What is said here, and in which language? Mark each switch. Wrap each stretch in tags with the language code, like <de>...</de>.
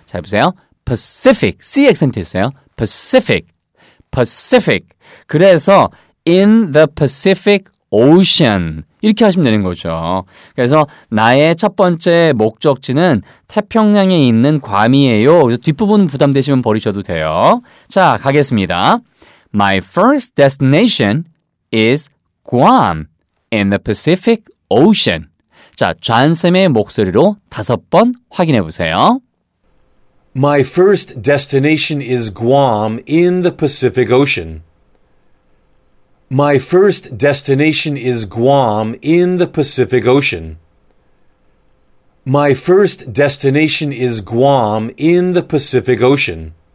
<ko>잘 보세요. Pacific. C 액센트 있어요. Pacific. Pacific. 그래서</ko> <en>in the Pacific Ocean.</en> <ko>이렇게 하시면 되는 거죠. 그래서 나의 첫 번째 목적지는 태평양에 있는 괌이에요. 뒷부분 부담되시면 버리셔도 돼요. 자, 가겠습니다.</ko> <en>My first destination is Guam in the Pacific Ocean.</en> <ko>자, 쟈쌤의 목소리로 다섯 번 확인해 보세요.</ko> <en>My first destination is Guam in the Pacific Ocean. My first destination is Guam in the Pacific Ocean. My first destination is Guam in the Pacific Ocean.</en>